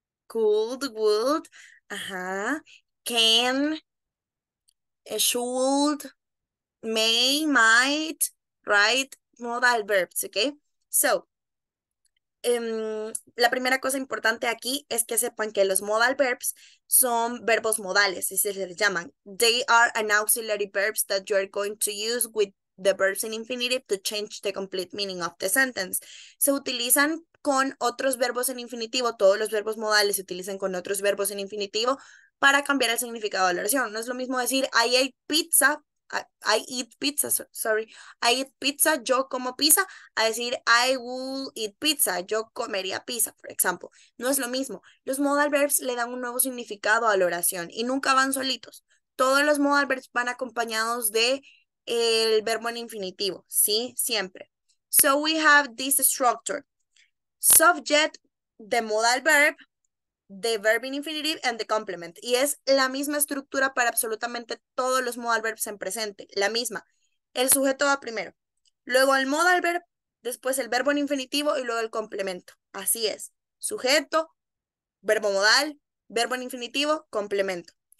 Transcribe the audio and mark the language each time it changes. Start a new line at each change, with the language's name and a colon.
English: Could, would, ajá. Can, should, may, might, right? Modal verbs, ¿ok? So,
Spanish: La primera cosa importante aquí es que sepan que los modal verbs son verbos modales, y se les llaman.
English: They are an auxiliary verbs that you are going to use with the verbs in infinitive to change the complete meaning of the sentence.
Spanish: Se utilizan con otros verbos en infinitivo, todos los verbos modales se utilizan con otros verbos en infinitivo para cambiar el significado de la oración. No es lo mismo decir
English: I ate pizza, I eat pizza,
Spanish: yo como pizza, a decir
English: I will eat pizza,
Spanish: yo comería pizza, por ejemplo. No es lo mismo. Los modal verbs le dan un nuevo significado a la oración y nunca van solitos. Todos los modal verbs van acompañados de el verbo en infinitivo, ¿sí?
English: Siempre. So we have this structure. Subject, the modal verb, the verb in infinitive, and the complement.
Spanish: Y es la misma estructura para absolutamente todos los modal verbs en presente. La misma. El sujeto va primero. Luego el modal verb, después el verbo en infinitivo, y luego el complemento. Así es. Sujeto, verbo modal, verbo en infinitivo, complemento.